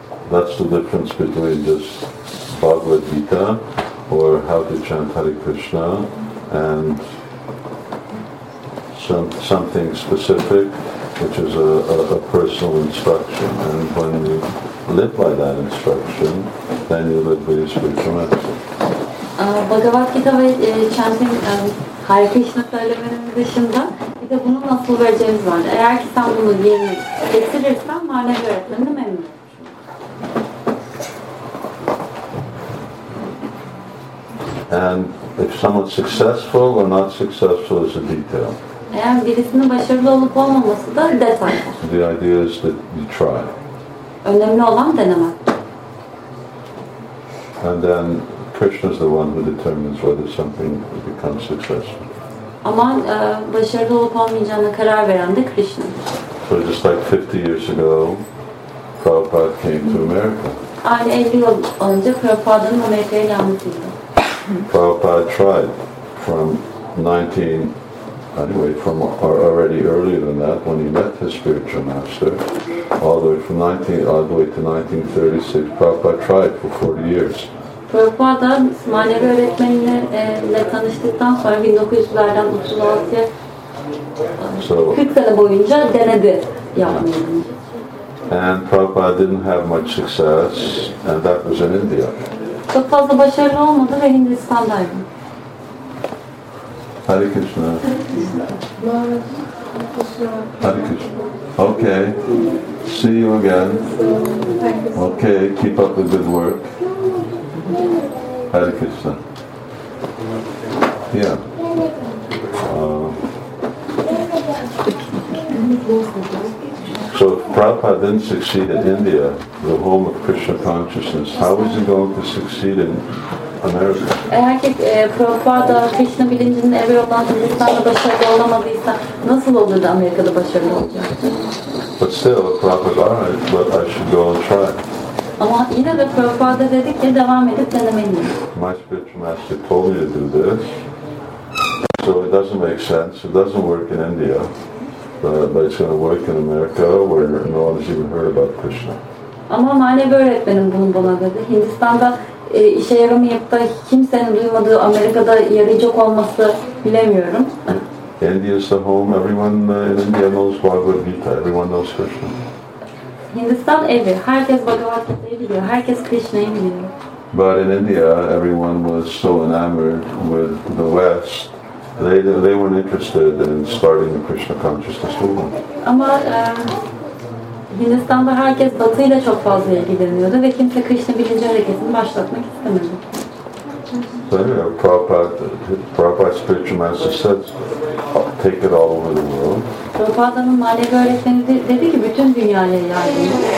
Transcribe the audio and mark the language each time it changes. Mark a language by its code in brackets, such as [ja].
[en] That's the difference between just Bhagavad Gita or how to chant Hare Krishna and something specific, which is a personal instruction. And when you live by that instruction, then you live by your spiritual master. [tr] Bhagavad Gita ve chanting Hare Krishna söylemenin dışında. [en] And if someone's successful or not successful is a detail. [tr] Eğer birisinin başarılı olup olmaması da detay. [en] The idea is that you try. [tr] Önemli olan denemek. [en] And then Krishna is the one who determines whether something becomes successful. [tr] Ama başarılı olup olmayacağına karar veren de Krishna. [en] So just like 50 years ago, Prabhupada came to America. [tr] Aynı 50 yıl önce Prabhupada'nın Amerika'ya gelmesi. [en] Prabhupada tried from 19. Anyway, from already earlier than that, when he met his spiritual master, all the way from 1936, Prabhupada tried for 40 years. [tr] Prabhupada manevi öğretmeniyle tanıştıktan sonra 1900'lerden 36'ya 40 sene boyunca denedi yapmayı. [en] And Prabhupada didn't have much success, and that was in India. [tr] Çok fazla başarılı olmadı ve Hindistan'daydı. [en] Hare Krishna. Hare Krishna. Okay. See you again. Okay. Keep up the good work. Hare Krishna. Yeah. So if Prabhupada didn't succeed in India, the home of Krishna consciousness, how is he going to succeed in [tr] eğer ki Prabhupada Krishna bilincinin evi olan Hindistan'da başarılı olamadıysa nasıl olur da Amerika'da başarılı olacak? [en] But still, Prabhupada said, but I should go and try. [tr] Ama yine de Prabhupada dedi ki devam edip denemeliyim. [en] My spiritual master told me to do this, so it doesn't make sense. It doesn't work in India, but it's going to work in America, where no one has even heard about Krishna. [tr] Ama manevi öğretmenim bunu bana dedi. Hindistan'da işe yaramayıp da kimsenin duymadığı Amerika'da yarayacak olması bilemiyorum. [en] India is the home. Everyone in India knows Bhagavad Gita. Everyone knows Krishna. [tr] Hindistan evi. Herkes Bhagavad Gita'yı biliyor. Herkes Krishna'yı biliyor. [en] But in India, everyone was so enamored with the West. They weren't interested in starting the Krishna consciousness movement. [tr] Ama Hindistan'da herkes Batı ile çok fazla ilgileniyordu ve kimse Krishna bilinci hareketini başlatmak istemedi. [en] So anyway, Prabhupada's spiritual master said, take it all over the world. [tr] Prabhupada'nın manevi öğretmeni dedi ki bütün dünyaya yaygın.